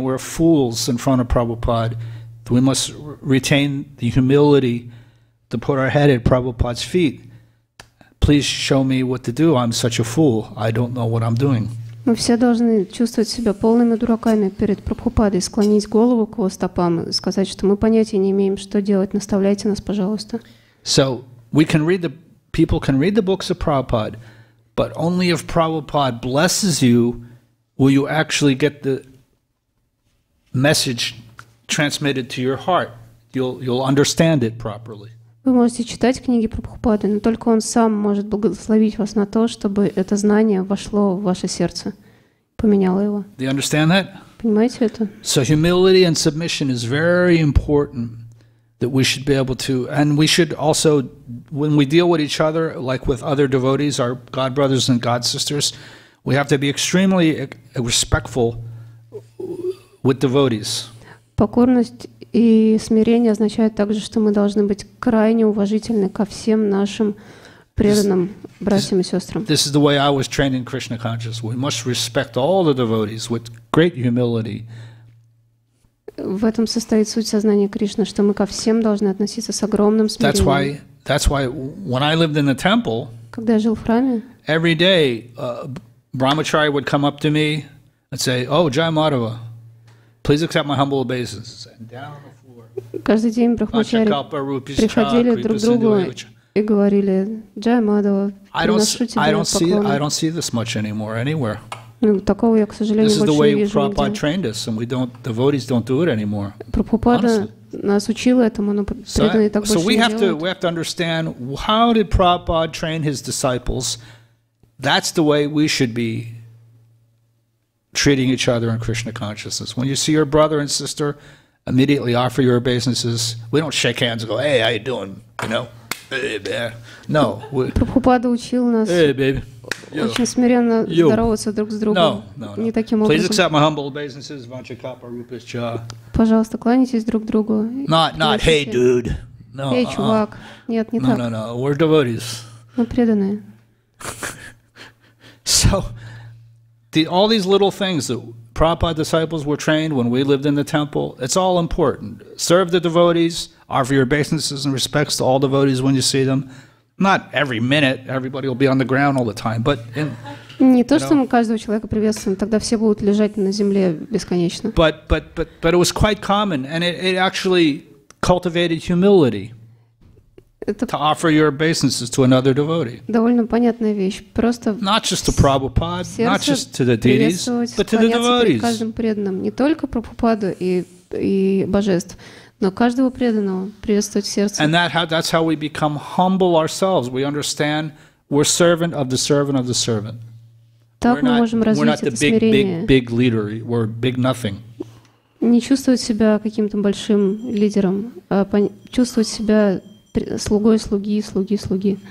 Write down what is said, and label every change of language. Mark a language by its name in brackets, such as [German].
[English] We're fools in front of Prabhupada. We must retain the humility to put our head at Prabhupada's feet. Please show me what to do. I'm such a fool. I don't know what I'm doing. [Russian] Мы все должны чувствовать себя полными дураками перед Прабхупадой, склонить голову к его стопам, сказать, что мы понятия не имеем, что делать. Наставляйте нас, пожалуйста. [English] So we can read the people can read the books of Prabhupada, but only if Prabhupada blesses you will you actually get the message transmitted to your heart. You'll understand it properly. [Russian] Вы можете читать книги Прабхупады, но только он сам может благословить вас на то, чтобы это знание вошло в ваше сердце, поменяло его. [English] Do you understand that? [Russian] Понимаете это? [English] So humility and submission is very important that we should be able to, and we should also, when we deal with each other, like with other devotees, our God brothers and God sisters, we have to be extremely respectful with devotees. [Russian] Покорность и смирение означает также, что мы должны быть крайне уважительны ко всем нашим преданным братьям и сестрам. [English] This is the way I was trained in Krishna consciousness. We must respect all the devotees with great humility. [Russian] В этом состоит суть сознания Кришны, что мы ко всем должны относиться с огромным смирением. [English] That's why when I lived in the temple, [Russian] когда я жил в храме, [English] every day Brahmacharya would come up to me and say, "Oh, Джая Мадхава, please accept my humble obeisances." [Russian] Каждый день брахмачари приходили друг к другу и говорили: "Джая Мадхава, приношу тебе поклоны." [English] I don't see this much anymore anywhere. [Russian] Ну, такого я, к сожалению, больше не вижу. [English] This is the way Prabhupada trained us, and devotees don't do it anymore. [Russian] Прабхупада нас учил этому, но преданные так больше не делают. [English] So we have to understand how did Prabhupada train his disciples. That's the way we should be treating each other in Krishna consciousness. When you see your brother and sister, immediately offer your obeisances. We don't shake hands and go, "Hey, how you doing?" You know? Hey, baby. No. [Russian] Прабхупада учил нас очень смиренно здороваться друг с другом. Не таким образом. [English] Please accept my humble obeisances, [Sanskrit] Vanchakapa Rupas Cha. [Russian] Пожалуйста, кланяйтесь друг другу. [English] Not, "Hey, dude." No. [Russian] Эй, чувак. Нет, не так. [English] No. We're devotees. [Russian] Мы преданные. [English] So, all these little things that Prabhupada disciples were trained when we lived in the temple, it's all important. Serve the devotees, offer your obeisances and respects to all devotees when you see them. Not every minute, everybody will be on the ground all the time, but [Russian] не то, что мы каждого человека приветствуем, тогда все будут лежать на земле бесконечно. [English] But it was quite common, and it actually cultivated humility. To offer your obeisances to another devotee. [Russian] Довольно понятная вещь. Просто [English] not just to Prabhupada, not just to the deities, but to the devotees. [Russian] Каждым преданным, не только Прабхупаду и божеств, но каждого преданного приветствовать сердце. [English] And that's how we become humble ourselves. We understand we're servant of the servant of the servant. [Russian] Так мы можем развить это смирение. [English] We're not the big leader. We're big nothing. [Russian] Не чувствовать себя каким-то большим лидером, а чувствовать себя слугой, слуги, слуги, слуги.